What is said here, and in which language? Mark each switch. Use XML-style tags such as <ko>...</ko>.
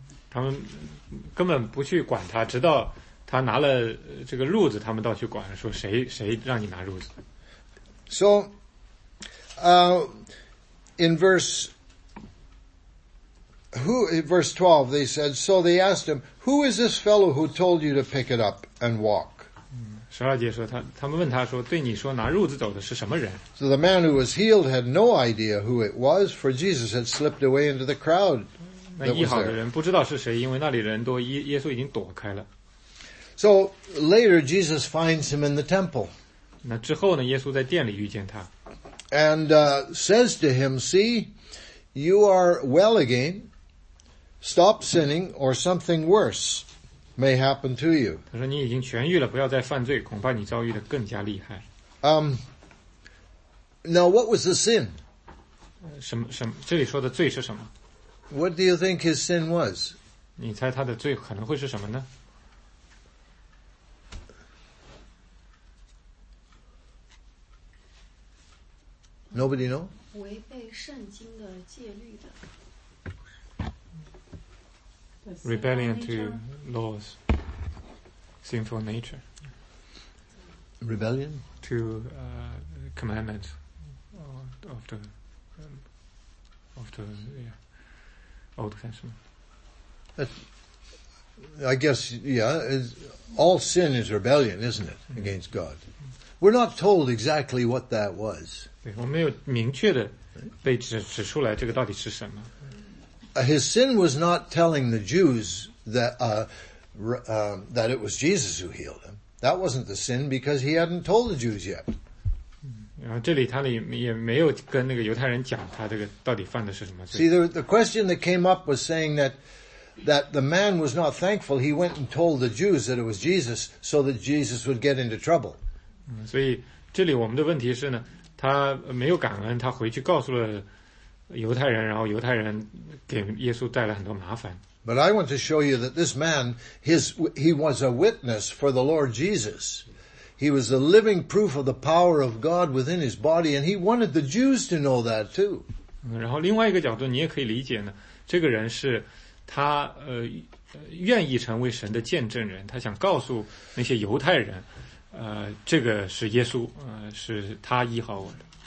<zh>他们根本不去管他，直到他拿了这个褥子，他们倒去管，说谁让你拿褥子。</zh> <en>So, in verse 12, they said, so they asked him, who is this fellow who told you to pick it up and walk?</en> <zh>十二节说他们问他说，对你说拿褥子走的是什么人？</zh> <en>So the man who was healed had no idea who it was, for Jesus had slipped away into the crowd.</en> <zh>那医好的人不知道是谁，因为那里人多，耶稣已经躲开了。</zh> <en>So later, Jesus finds him in the temple.</en> <zh>那之后呢？耶稣在殿里遇见他</zh> <en>，and says to him, "See, you are well again. Stop sinning, or something worse may happen to you."</en> <zh>他说：“你已经痊愈了，不要再犯罪，恐怕你遭遇的更加厉害。”</zh> <en>Now, what was the sin?</en> <zh>什么？这里说的罪是什么</zh> <en>？What do you think his sin was?</en> <zh>你猜他的罪可能会是什么呢？</zh> <en>Nobody know?</en> <zh>违背圣经的戒律的。</zh> <en>Rebellion to laws. Sinful nature. Rebellion? To commandments of the Old Testament. It's all sin is rebellion, isn't it? Against God. We're not told exactly what that was.</en> <zh>对，我没有明确的被指出来这个到底是什么。</zh> <en>His sin was not telling the Jews that it was Jesus who healed him. That wasn't the sin because he hadn't told the Jews yet.</en> <zh>然后这里他也没有跟那个犹太人讲他这个到底犯的是什么罪。</zh> <en>See, the question that came up was saying that the man was not thankful. He went and told the Jews that it was Jesus so that Jesus would get into trouble.</en> <zh>所以这里我们的问题是呢，他没有感恩，他回去告诉了犹太人，然后犹太人给耶稣带来很多麻烦。</zh> <en>But I want to show you that this man, he was a witness for the Lord Jesus. He was a living proof of the power of God within his body, and he wanted the Jews to know that too.</en> <zh>然后另外一个角度你也可以理解呢，这个人是他愿意成为神的见证人，他想告诉那些犹太人，这个是耶稣，是他医好我的。</zh>